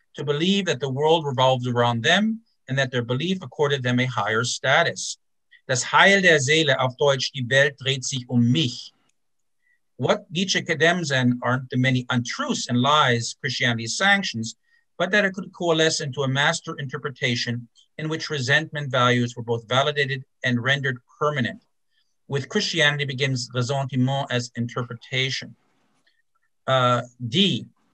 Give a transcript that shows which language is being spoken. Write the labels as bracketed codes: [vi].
[en] to believe that the world revolved around them and that their belief accorded them a higher status. [de] Das Heil der Seele, auf Deutsch, die Welt dreht sich mich. [en] What Nietzsche condemns then aren't the many untruths and lies Christianity sanctions, but that it could coalesce into a master interpretation in which resentment values were both validated and rendered permanent. With Christianity begins ressentiment as interpretation. D.